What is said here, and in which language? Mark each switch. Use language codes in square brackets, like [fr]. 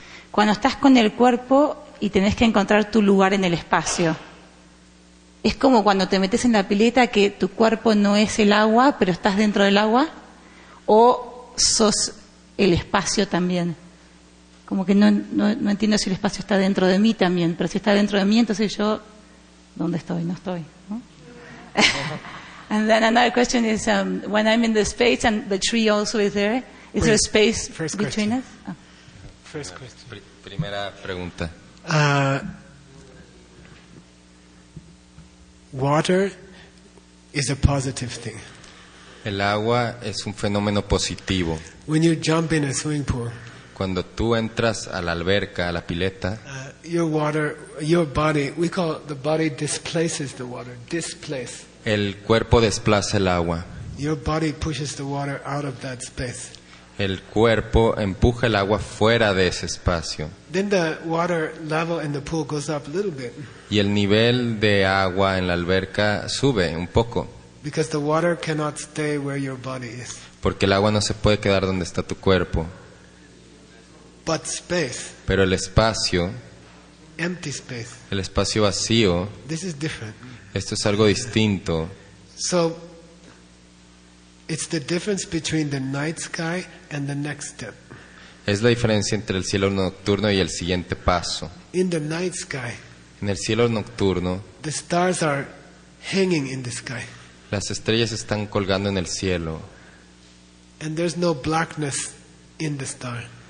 [es] Cuando estás con el cuerpo y tenés que encontrar tu lugar en el espacio, es como cuando te metes en la pileta que tu cuerpo no es el agua, pero estás dentro del agua, o sos el espacio también. Como que no entiendo si el espacio está dentro de mí también, pero si está dentro de mí, entonces yo, ¿dónde estoy? No estoy. ¿No? [en] And then another question is, when I'm in the space and the tree also is there, is there a space first between question. Us? Oh. First question. [es] Primera pregunta. [en] Water is a positive thing. [es] El agua es un fenómeno positivo. [en] When you jump in a swimming pool. [es] Cuando tú entras a la alberca, a la pileta, [en] your water, your body, we call the body displaces the water, displace. [es] El cuerpo desplaza el agua. [en] Your body pushes the water out of that space. [es] El cuerpo empuja el agua fuera de ese espacio. [en] Then the water level in the pool goes up a little bit. [es] Y el nivel de agua en la alberca sube un poco. [en] Because the water cannot stay where your body is. [es] Porque el agua no se puede quedar donde está tu cuerpo. [en] But space, [es] pero el espacio, [en] empty space, [es] el espacio vacío, [en] this is different. [es] Esto es algo distinto. [en] So, it's the difference between the night sky and the next step. [es] Es la diferencia entre el cielo nocturno y el siguiente paso. [en] In the night sky, [es] en el cielo nocturno, [en] the stars are hanging in the sky. [es] Las estrellas están colgando en el cielo. [en] And there's no blackness in the star.